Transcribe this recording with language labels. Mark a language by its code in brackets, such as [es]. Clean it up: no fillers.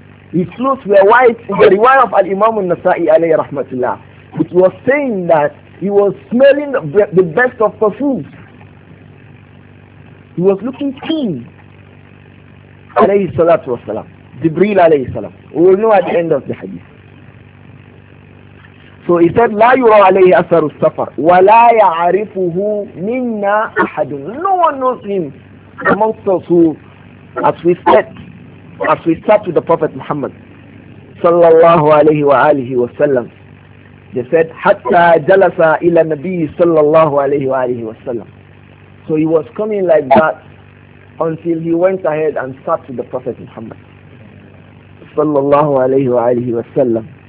[en] His clothes were white. In the riwayah of Al-Imam al-Nasa'i alayhi rahmatullah, it was saying that He was smelling the best of perfumes. He was looking clean. Alayhi salatu wasalam. Jibreel alayhi salam. We will know at the end of the hadith. So he said, [ar] لا يرى عليه أثر السفر ولا يعرفه منا أحد. [en] No one knows him amongst us who, as we said to the Prophet Muhammad صلى الله عليه وآله وسلم, they said, [ar] حتى جلس إلى النبي صلى الله عليه وآله وسلم. [en] So he was coming like that until he went ahead and sat to the Prophet Muhammad صلى الله عليه وآله وسلم.